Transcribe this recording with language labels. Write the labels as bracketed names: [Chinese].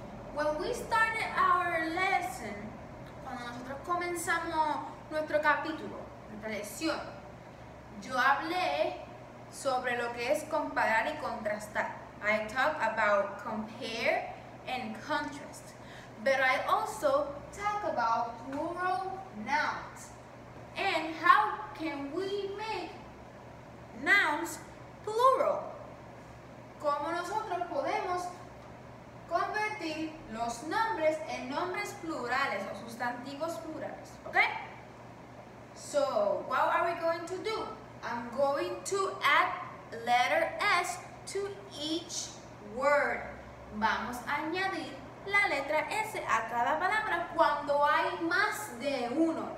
[English] When we started our lesson, [Spanish] cuando nosotros comenzamos nuestro capítulo, nuestra lección, yo hablé sobre lo que es comparar y contrastar. [English] I talk about compare and contrast. But I also talk about plural nouns and how can we make nouns plural. [Spanish] ¿Cómo nosotros podemos convertir los nombres en nombres plurales o sustantivos plurales? [English] Okay? So, what are we going to do? I'm going to add letter S to each word. [Spanish] Vamos a añadir la letra S a cada palabra cuando hay más de uno.